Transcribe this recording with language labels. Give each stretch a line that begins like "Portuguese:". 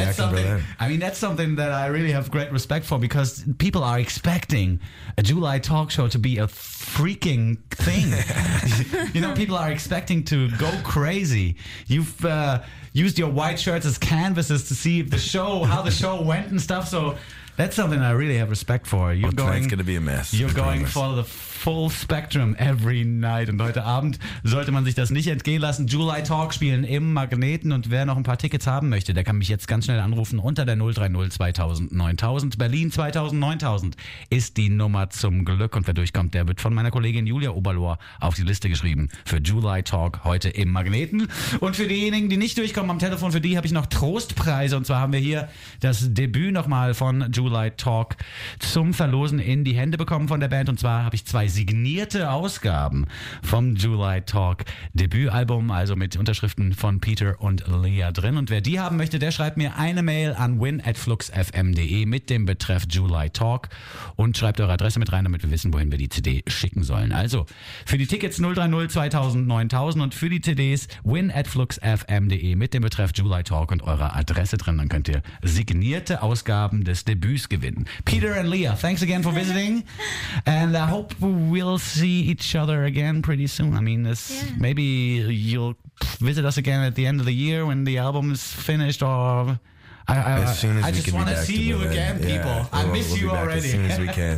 English: That's something that I really have great respect for, because people are expecting a July talk show to be a freaking thing. You know, people are expecting to go crazy. You've used your white shirts as canvases to see how the show went and stuff. So that's something I really have respect for. Tonight's going to be a mess. For the full spectrum every night.
German: Und heute Abend sollte man sich das nicht entgehen lassen. July Talk spielen im Magneten. Und wer noch ein paar Tickets haben möchte, der kann mich jetzt ganz schnell anrufen unter der 030 2000 9000. Berlin 2000 9000 ist die Nummer zum Glück. Und wer durchkommt, der wird von meiner Kollegin Julia Oberlohr auf die Liste geschrieben für July Talk heute im Magneten. Und für diejenigen, die nicht durchkommen am Telefon, für die habe ich noch Trostpreise. Und zwar haben wir hier das Debüt nochmal von July Talk zum Verlosen in die Hände bekommen von der Band. Und zwar habe ich zwei signierte Ausgaben vom July Talk Debütalbum, also mit Unterschriften von Peter und Lea drin. Und wer die haben möchte, der schreibt mir eine Mail an win@fluxfm.de mit dem Betreff July Talk und schreibt eure Adresse mit rein, damit wir wissen, wohin wir die CD schicken sollen. Also für die Tickets 030 2000 9000 und für die CDs win@fluxfm.de mit dem Betreff July Talk und eurer Adresse drin, dann könnt ihr signierte Ausgaben des Debüts gewinnen.
English: Peter and Lea, thanks again for visiting and I hope we'll see each other again pretty soon. I mean, maybe you'll visit us again at the end of the year when the album is finished. I just want to see you again, people. I miss you already. As soon as we can.